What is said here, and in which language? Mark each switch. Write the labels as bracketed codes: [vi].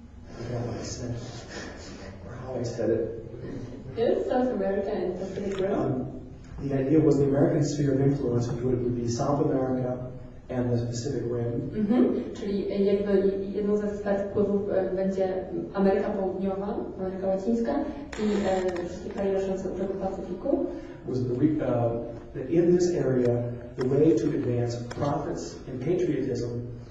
[en] I forgot what I said, or how I said it. It is South America and the Pacific Rim. The idea was the American sphere of influence would be South America and the Pacific Rim. Mm-hmm. [pl] Czyli jakby jedną ze sfer wpływów będzie Ameryka Południowa, Ameryka Łacińska i wszystkie kraje leżące w Brzegu Pacyfiku. [en] Was that in this area, the way to advance profits and patriotism.